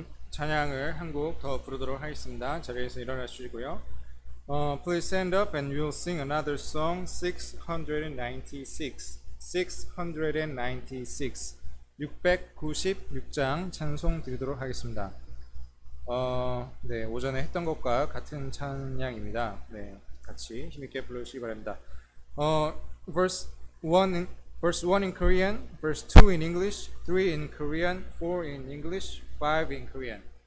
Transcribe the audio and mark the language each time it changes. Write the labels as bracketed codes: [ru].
[ko] 찬양을 한 곡 더 부르도록 하겠습니다. 자리에서 일어나시고요. [en] Please stand up and we'll sing another song. 696. [ko] 696장 찬송 드리도록 하겠습니다. 네, 오전에 했던 것과 같은 찬양입니다. 네, 같이 힘있게 불러주시기 바랍니다. [en] Verse 1 in Korean, verse 2 in English, 3 in Korean, 4 in English, 5 in Korean.